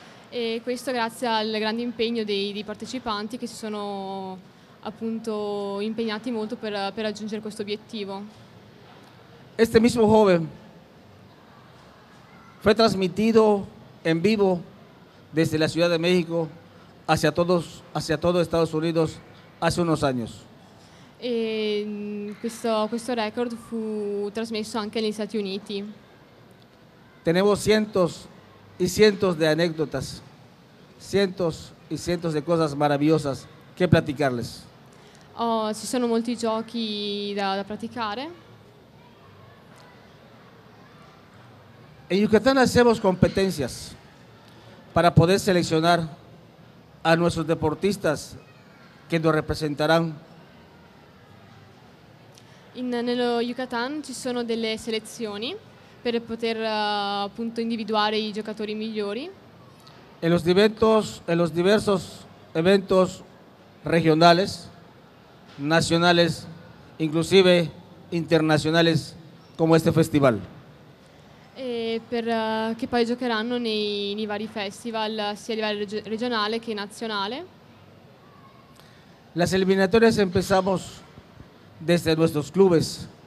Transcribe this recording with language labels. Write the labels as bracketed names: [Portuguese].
[Italian] E questo grazie al grande impegno dei partecipanti che si sono appunto impegnati molto per raggiungere questo obiettivo. [Spanish] Este mismo joven fue transmitido en vivo desde la Ciudad de México hacia todo Estados Unidos hace unos años. [Italian] E questo record fu trasmesso anche negli Stati Uniti. [Spanish] Tenemos cientos y cientos de anécdotas, cientos y cientos de cosas maravillosas que platicarles. [Italian] Oh, ci sono molti giochi da praticare. [Spanish] En Yucatán hacemos competencias para poder seleccionar a nuestros deportistas que nos representarán. [Italian] Nello Yucatán ci sono delle selezioni per poter appunto individuare i giocatori migliori. [Spanish] En los diversos eventos regionales, nacionales, inclusive internacionales, como este festival. [Italian] E che poi giocheranno nei vari festival, sia a livello regionale che nazionale. [Spanish] Las eliminatorias empezamos desde nuestros clubes.